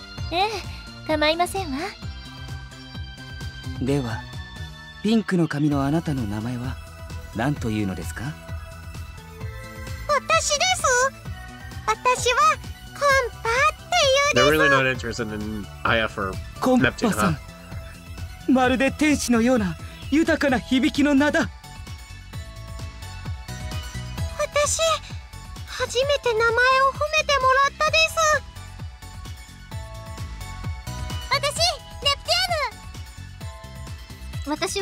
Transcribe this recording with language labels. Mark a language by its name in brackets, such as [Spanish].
[Japanese] ええ、構いませんわ。では、ピンクの髪のあなたの名前は何というのですか？私です。私はコンパって言うです。 [English] They're really not interested in Aya for Neptune, huh? コンパさん、 [Japanese] まるで天使のような豊かな響きの名だ。私、初めて名前を褒めてもらったです。私、ネプチューヌ。